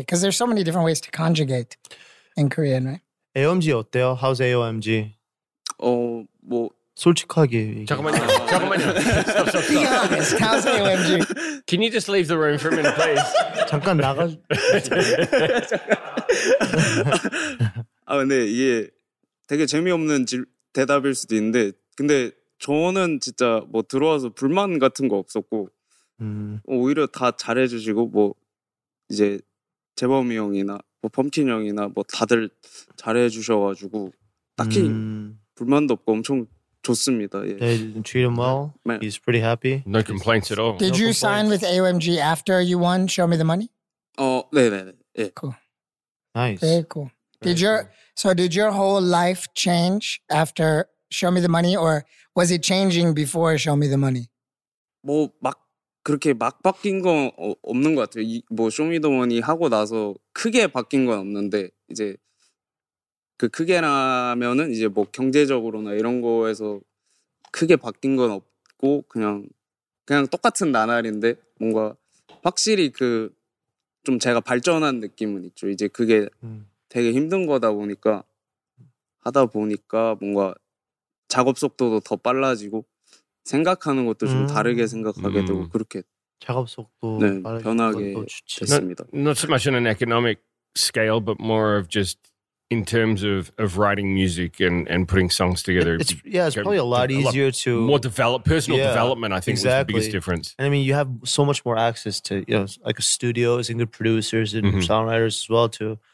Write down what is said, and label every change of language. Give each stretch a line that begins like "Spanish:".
English: Because there's so many different ways to conjugate in Korean, right?
Korean: AOMG 어때요?
English: How's AOMG?
Korean: 뭐 솔직하게. 잠깐만요. 잠깐만요.
English: Stop, stop, stop. Be honest. How's AOMG? Can you just leave the room for a minute, please?
Korean: 잠깐 나가. 아 근데 이게 되게 재미없는 대답일 수도 있는데 근데 저는 진짜 뭐 들어와서 불만 같은 거 없었고 오히려 다 잘해주시고 뭐 이제 재범이 형이나 뭐 펌킨 형이나 뭐 다들 잘해주셔가지고 딱히 불만도 없고 엄청 좋습니다. 예.
English: They treat him well. Man. He's pretty happy. No complaints at all. Did you sign with AOMG after you won Show Me the Money?
Korean: 어, 네네네. 예.
English: Cool. Nice. Very cool. Did your so did your whole life change after Show Me the Money, or was it changing before Show Me the Money?
Korean: 뭐 막 그렇게 막 바뀐 건 없는 것 같아요. 뭐 Show Me the Money 하고 나서 크게 바뀐 건 없는데 이제 그 크게라면은 이제 뭐 경제적으로나 이런 거에서 크게 바뀐 건 없고 그냥 똑같은 나날인데 뭔가 확실히 그 좀 제가 발전한 느낌은 있죠. 이제 그게 되게 힘든 거다 보니까 하다 보니까 뭔가 작업 속도도 더 빨라지고 생각하는 것도 좀 다르게 생각하게 되고 그렇게 작업 속도 네, 변하게 됐습니다.
English: Not so much on an economic scale, but more of just in terms of writing music and putting songs together. It's probably a lot easier to more develop personal development. I think exactly. Was the biggest difference. And I mean, you have so much more access to you know like studios and good producers and songwriters as well too.